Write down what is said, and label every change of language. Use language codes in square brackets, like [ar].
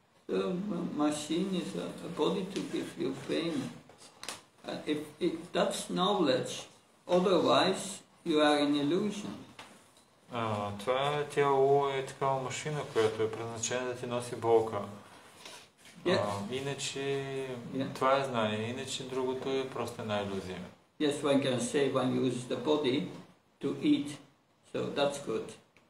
[en] So, machine is a body to give you pain. If that's knowledge, otherwise you are an illusion. [bg] Това тяло е такава машина, която е предназначена да ти носи болка. Иначе това е знание, иначе другото е просто една иллюзия. [en] Yes, one can say one uses the body to eat, so that's good.